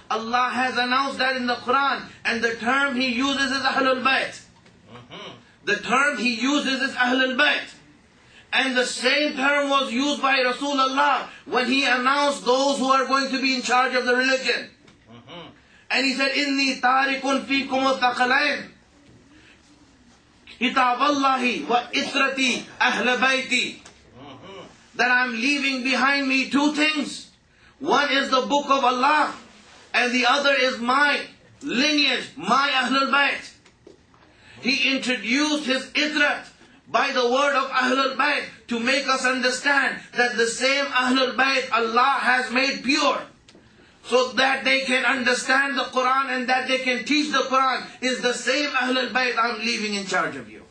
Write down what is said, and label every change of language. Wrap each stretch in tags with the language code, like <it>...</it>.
<en>Allah has announced that in the Quran, and the term He uses is Ahlul Bayt. The term He uses is Ahlul Bayt. And the same term was used by Rasulullah when He announced those who are going to be in charge of the religion. And He said,</en> <ar>إِنِّي تَارِكٌ فِيكُمُ الثَّقَلَيْنِ كِتَابَ اللَّهِ وَإِثْرَتِي أَهْلَ بَيْتِي.</ar> <en>That I'm leaving behind me two things. One is the book of Allah, and the other is my lineage, my Ahlul Bayt. He introduced his idrat by the word of Ahlul Bayt to make us understand that the same Ahlul Bayt Allah has made pure, so that they can understand the Quran and that they can teach the Quran, is the same Ahlul Bayt I'm leaving in charge of you.</en>